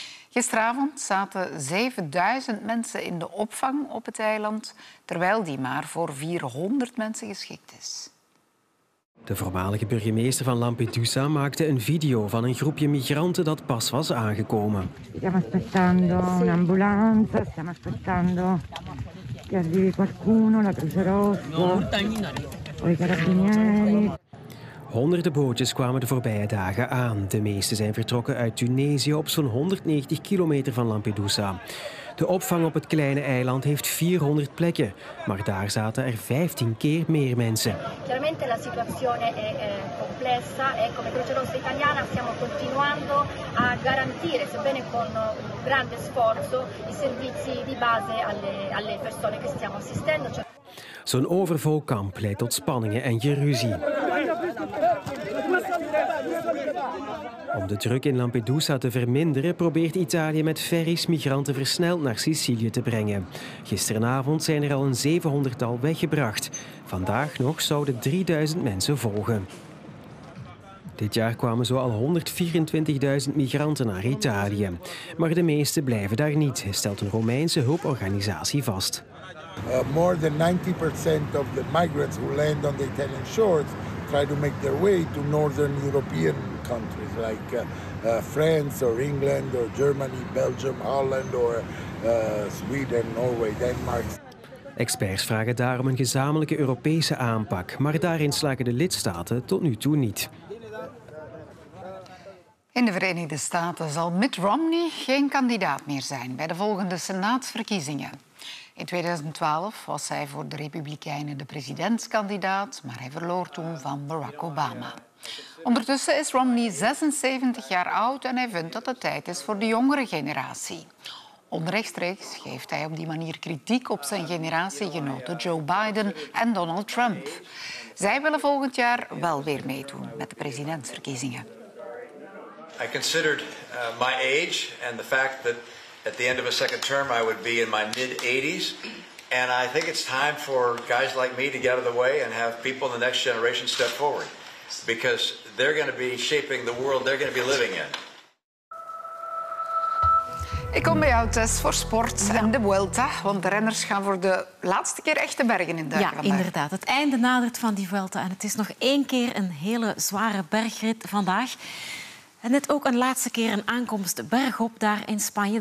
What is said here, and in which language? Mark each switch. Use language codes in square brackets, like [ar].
[nl] Gisteravond zaten 7000 mensen in de opvang op het eiland, terwijl die maar voor 400 mensen geschikt is. De voormalige burgemeester van Lampedusa maakte een video van een groepje migranten dat pas was aangekomen. [it] Stiamo aspettando un'ambulanza, stiamo aspettando che arrivi qualcuno, la Croce Rossa. [nl] Honderden bootjes kwamen de voorbije dagen aan. De meeste zijn vertrokken uit Tunesië op zo'n 190 kilometer van Lampedusa. De opvang op het kleine eiland heeft 400 plekken, maar daar zaten er 15 keer meer mensen. [it] Chiaramente la situazione è complessa e come Croce Rossa Italiana stiamo continuando a garantire, sebbene con grande sforzo, i servizi di base alle persone che stiamo assistendo. [nl] Zo'n overvol kamp leidt tot spanningen en geruzie. Om de druk in Lampedusa te verminderen, probeert Italië met ferries migranten versneld naar Sicilië te brengen. Gisteravond zijn er al een 700-tal weggebracht. Vandaag nog zouden 3000 mensen volgen. Dit jaar kwamen zo al 124.000 migranten naar Italië. Maar de meeste blijven daar niet, stelt een Romeinse hulporganisatie vast. [en] More than 90% of the migrants who land on the Italian shores try to make their way to northern European countries like France or England or Germany, Belgium, Holland or Sweden, Norway, Denmark. [nl] Experts vragen daarom een gezamenlijke Europese aanpak, maar daarin slagen de lidstaten tot nu toe niet. In de Verenigde Staten zal Mitt Romney geen kandidaat meer zijn bij de volgende senaatsverkiezingen. In 2012 was hij voor de Republikeinen de presidentskandidaat, maar hij verloor toen van Barack Obama. Ondertussen is Romney 76 jaar oud en hij vindt dat het tijd is voor de jongere generatie. Onrechtstreeks geeft hij op die manier kritiek op zijn generatiegenoten Joe Biden en Donald Trump. Zij willen volgend jaar wel weer meedoen met de presidentsverkiezingen. [en] Ik considered my age en the fact that at the end of a second term, I would be in my mid-80s. And I think it's time for guys like me to get out of the way and have people in the next generation step forward. Because they're going to be shaping the world they're going to be living in. [nl] Ik kom bij jou, Tess, voor sport en de Vuelta. Want de renners gaan voor de laatste keer echt de bergen in duiken. Ja, inderdaad. Het einde nadert van die Vuelta. En het is nog één keer een hele zware bergrit vandaag. En net ook een laatste keer een aankomst bergop daar in Spanje.